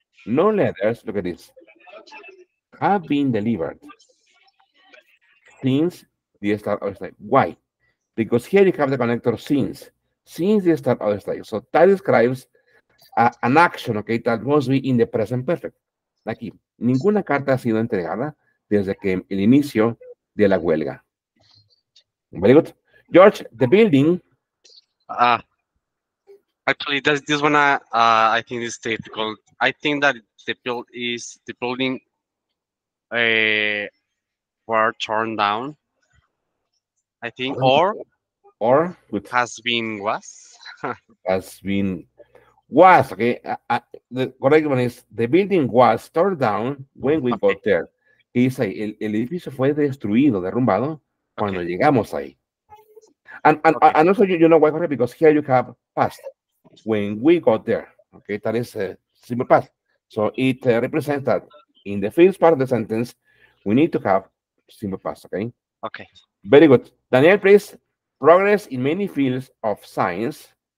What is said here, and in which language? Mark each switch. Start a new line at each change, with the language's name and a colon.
English: No letters, look at this, have been delivered since the start of the strike. Why? Because here you have the connector since the start of the strike. So that describes an action, okay, that must be in the present perfect.
Spanish: Aquí, ninguna carta ha sido entregada desde que el inicio de la huelga.
English: Very good. George, the building. Actually, this one, I think it's difficult. I think that the building were torn down. I think, or good. Has been, was, okay. The correct one is the building was torn down when we got there.
Spanish: Y dice ahí, el edificio fue destruido, derrumbado, cuando llegamos ahí.
English: And also, you know why, Jorge, because here you have past, when we got there. Okay, that is a simple past. So it represents that in the first part of the sentence, we need to have simple past, okay? Okay. Very good. Daniel, please, progress in many fields of science.